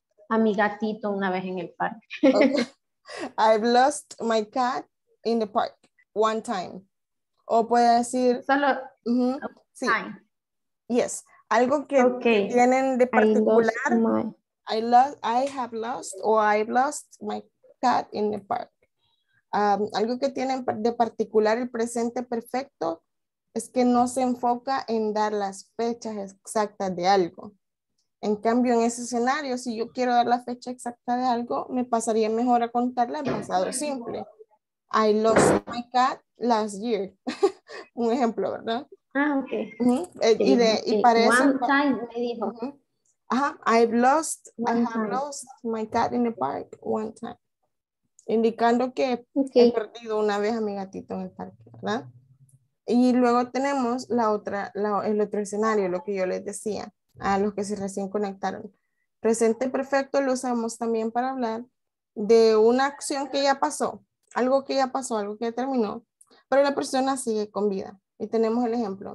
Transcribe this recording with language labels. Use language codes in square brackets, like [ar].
[es] A mi gatito una vez en el parque. Okay. [en] I've lost my cat in the park one time. [es] O puede decir... Solo... Uh-huh. Sí. [en] Time. Yes. [es] Algo que tienen de particular. [en] I've lost my cat in the park. [es] Algo que tienen de particular el presente perfecto es que no se enfoca en dar las fechas exactas de algo. En cambio, en ese escenario, si yo quiero dar la fecha exacta de algo, me pasaría mejor a contarla en pasado simple. [en] I lost my cat last year. [es] Un ejemplo, ¿verdad? Ah, okay. Uh-huh. Y parece. [en] One time [es] me dijo. Uh-huh. [en] Ajá, I've lost my cat in the park one time. [es] Indicando que he perdido una vez a mi gatito en el parque, ¿verdad? Y luego tenemos el otro escenario, lo que yo les decía a los que se recién conectaron. Presente perfecto lo usamos también para hablar de una acción que ya pasó, algo que ya pasó, algo que ya terminó, pero la persona sigue con vida. Y tenemos el ejemplo.